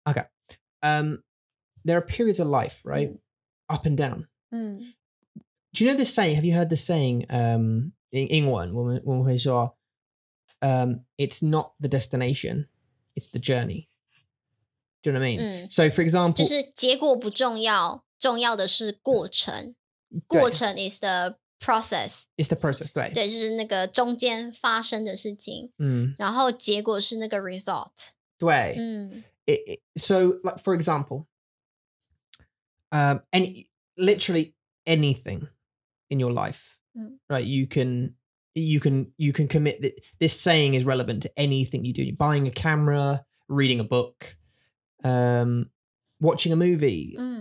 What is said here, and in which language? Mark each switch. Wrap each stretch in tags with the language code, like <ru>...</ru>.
<en>Okay, there are periods of life, right? Up and down. Do you know this saying? Have you heard the saying? In</en> <zh>英文，我们会说，</zh> <en>it's not the destination, it's the journey. Do you know what I mean? So, for example,</en> <zh>就是结果不重要，重要的是过程。</zh> <en>过程 is the process. It's the process,</en> <zh>对。对，就是那个中间发生的事情。嗯。然后结果是那个 result. 对。嗯。</zh> <en>So, like, for example, literally anything in your life, right, you can commit, this saying is relevant to anything you do. You're buying a camera, reading a book, watching a movie.</en>